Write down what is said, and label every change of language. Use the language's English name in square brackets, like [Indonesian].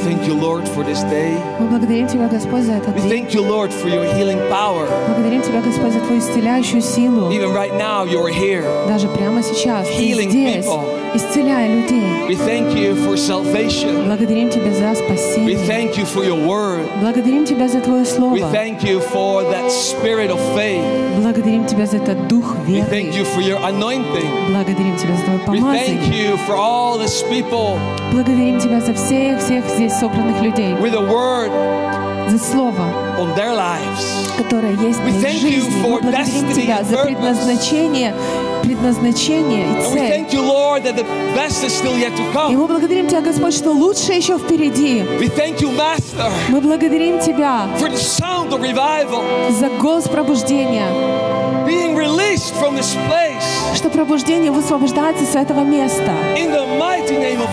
[English] We thank you, Lord, for your healing power. [Russian] Благодарим тебя, Господь, за твою исцеляющую силу. [English] Even right now, you are here. [Russian] Даже прямо сейчас, [English] healing [Russian] здесь, [English] people. [Russian] Исцеляя людей. [English] We thank you for salvation. [Russian] Благодарим тебя за спасение. [English] We thank you for your word. [Russian] Благодарим тебя за твое слово. [English] We thank you for that spirit of faith. [Russian] Благодарим тебя за этот дух веры. [English] We thank you for your anointing. [Russian] Благодарим тебя за твое помазание. [English] We thank you for all these people. [Russian] Благодарим тебя за всех здесь собранных людей. [English] With a word. [Russian] За слово, [English] on their lives. [Russian] Которое есть в их жизни. Мы благодарим тебя за предназначение и цель. [English] And we thank you, Lord, that the best is still yet to come. [Russian] И мы благодарим тебя, Господь, что лучшее еще впереди. [English] We thank you, Master, [Russian] мы благодарим тебя [English] for the sound of revival, [Russian] за голос пробуждения. [English] Being released from this place, [Russian] что пробуждение высвобождается с этого места. [English] In the mighty name of